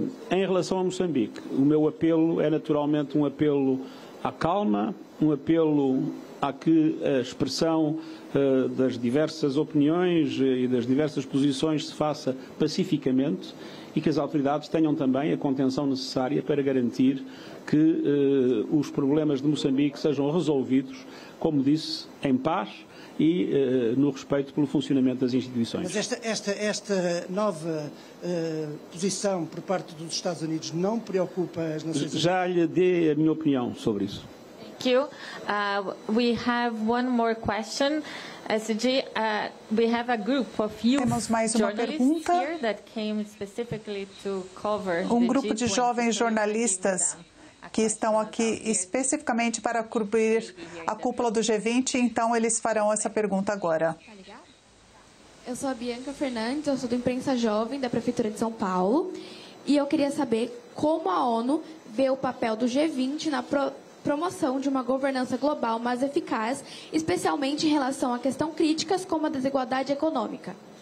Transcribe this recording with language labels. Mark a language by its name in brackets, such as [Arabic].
[Portuguese] Em relação a Moçambique, o meu apelo é naturalmente um apelo à calma, um apelo a que a expressão das diversas opiniões e das diversas posições se faça pacificamente e que as autoridades tenham também a contenção necessária para garantir que os problemas de Moçambique sejam resolvidos, como disse, em paz e no respeito pelo funcionamento das instituições. Mas esta nova posição por parte dos Estados Unidos não preocupa as Nações Unidas? Já lhe dei a minha opinião sobre isso. [English] Thank you. We have one more question. SG, we have a group of youth [Portuguese] temos mais uma pergunta. [English] Here that came specifically to cover [Portuguese] um grupo de jovens jornalistas que estão aqui especificamente para cobrir a cúpula do G20, então eles farão essa pergunta agora. Eu sou a Bianca Fernandes, eu sou do Imprensa Jovem da Prefeitura de São Paulo e eu queria saber como a ONU vê o papel do G20 na promoção de uma governança global mais eficaz, especialmente em relação a questões críticas como a desigualdade econômica.